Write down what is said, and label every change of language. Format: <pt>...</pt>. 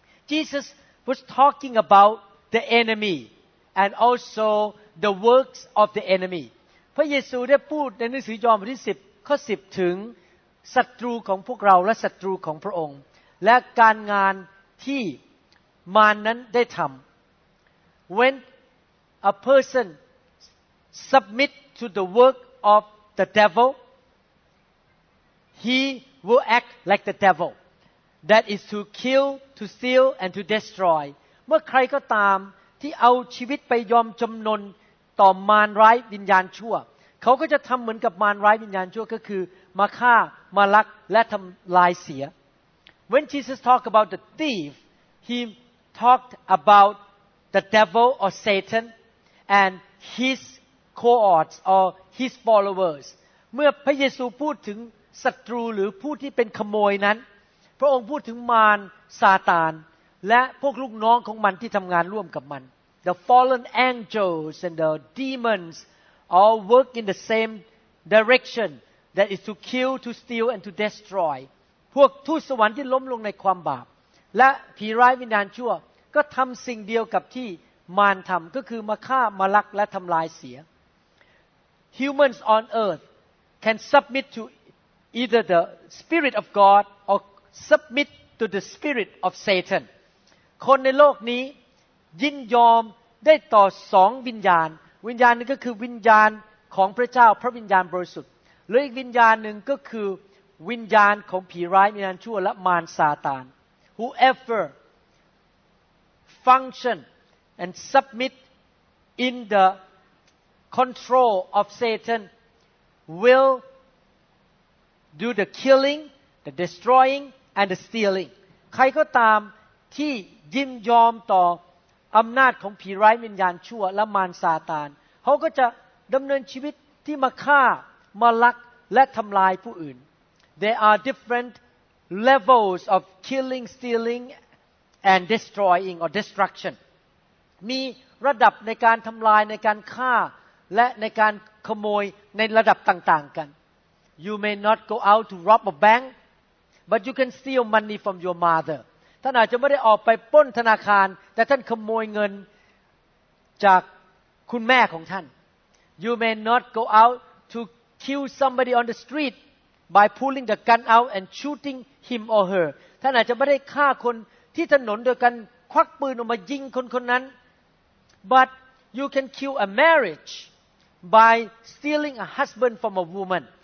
<en>Jesus was talking about the enemy and also the works of the enemy</en> <th>พระเยซูได้พูดในหนังสือยอห์นบทที่10ข้อ10ถึงศัตรูของพวกเราและศัตรูของพระองค์และการงานที่มารนั้นได้ทำ</th> <en>When a personSubmit to the work of the devil, he will act like the devil. That is to kill, to steal, and to destroy.</en> <th>เมื่อใครก็ตามที่เอาชีวิตไปยอมจำนนต่อมารร้ายวิญญาณชั่วเขาก็จะทำเหมือนกับมารร้ายวิญญาณชั่วก็คือมาฆ่ามาลักและทำลายเสีย</th> <en>When Jesus talked about the thief, he talked about the devil or Satan and hisCohorts or his followers.</en> <th>เมื่อพระเยซูพูดถึงศัตรูหรือผู้ที่เป็นขโมยนั้นพระองค์พูดถึงมารซาตานและพวกลูกน้องของมันที่ทำงานร่วมกับมัน</th> <en>The fallen angels and the demons all work in the same direction. That is to kill, to steal, and to destroy.</en> <th>พวกทูตสวรรค์ที่ล้มลงในความบาปและผีร้ายวิญญาณชั่วก็ทำสิ่งเดียวกับที่มารทำก็คือมาฆ่ามาลักและทำลายเสีย</th> <en>Humans on earth can submit to either the spirit of God or submit to the spirit of Satan</en> <th>คนในโลกนี้ยินยอมได้ต่อสองวิญญาณวิญญาณนึงก็คือวิญญาณของพระเจ้าพระวิญญาณบริสุทธิ์หรืออีกวิญญาณนึงก็คือวิญญาณของผีร้ายวิญญาณชั่วและมารซาตาน</th> <en>Whoever functionand submit in the control of Satan will do the killing, the destroying, and the stealing.</en> <th>ใครก็ตามที่ยินยอมต่ออำนาจของผีร้ายวิญญาณชั่วและมารซาตานเขาก็จะดำเนินชีวิตที่มาฆ่ามาลักและทำลายผู้อื่น</th> <en>There are different levels of killing, stealing, and destroying or destruction</en> <th>มีระดับในการทำลายในการฆ่าและในการขโมยในระดับต่างๆกัน</th> <en>You may not go out to rob a bank, but you can steal money from your mother.</en> <th>ท่านอาจจะไม่ได้ออกไปปล้นธนาคารแต่ท่านขโมยเงินจากคุณแม่ของท่าน</th> <en>You may not go out to kill somebody on the street by pulling the gun out and shooting him or her.</en> <th>ท่านอาจจะไม่ได้ฆ่าคนที่ถนนโดยการควักปืนออกมายิงคนคนนั้น</th> <en>But you can kill a marriage by stealing a husband from a woman.</en>